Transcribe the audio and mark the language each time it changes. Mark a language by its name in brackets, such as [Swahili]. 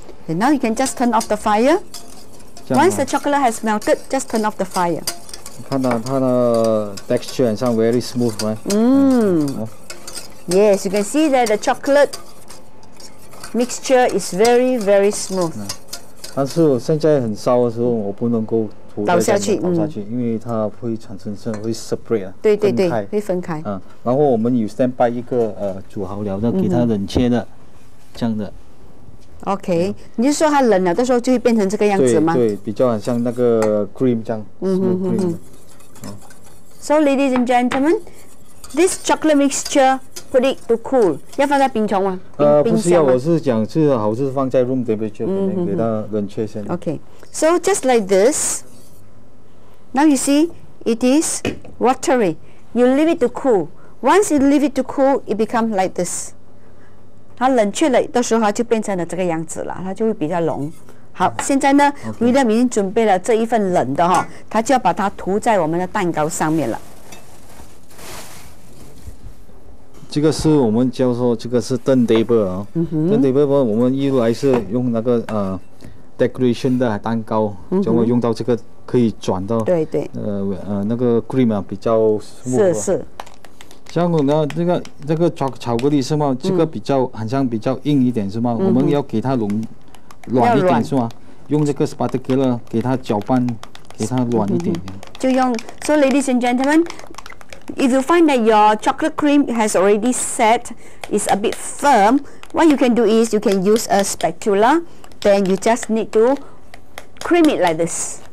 [English] And now you can just turn off the fire. Once the chocolate has melted, just turn off the fire. [Chinese] 看到它的 texture 很像 [English] very smooth, right? Yes, you can see that the chocolate mixture is very, very smooth. [Chinese] 但是现在很烧的时候，我不能够。倒下去，因为它会产生是会 separate 啊，对对对，会分开。然后我们有 stand by 一个煮好了的，给它冷切的，这样的。 OK，你就说它冷了的时候就会变成这个样子吗？对，比较很像那个 cream 这样。 [English] So ladies and gentlemen, this chocolate mixture put it to cool， [Chinese] 要放在冰箱吗？不是要，我是讲是好是放在 room temperature 里面，给它冷却先。 [English] OK， so just like this。 Now you see, it is watery. You leave it to cool. Once you leave it to cool, it becomes like this. [Chinese] 它冷却了的时候，它就变成了这个样子了，它就会比较浓。好，现在呢 ，William 已经准备了这一份冷的哈，他就要把它涂在我们的蛋糕上面了。这个是我们叫做这个是 Dun Dabber 啊 ，Dun Dabber 我们一路还是用那个decoration 的蛋糕，就会用到这个。可以转到对对那个 cream 啊比较 smooth 是是，像我们这个巧克力是吗？这个比较好像比较硬一点是吗？我们要给它软一点是吗？用这个 spatula 给它搅拌，给它软一点。就用 [English] so ladies and gentlemen, if you find that your chocolate cream has already set, is a bit firm, what you can do is you can use a spatula, then you just need to cream it like this.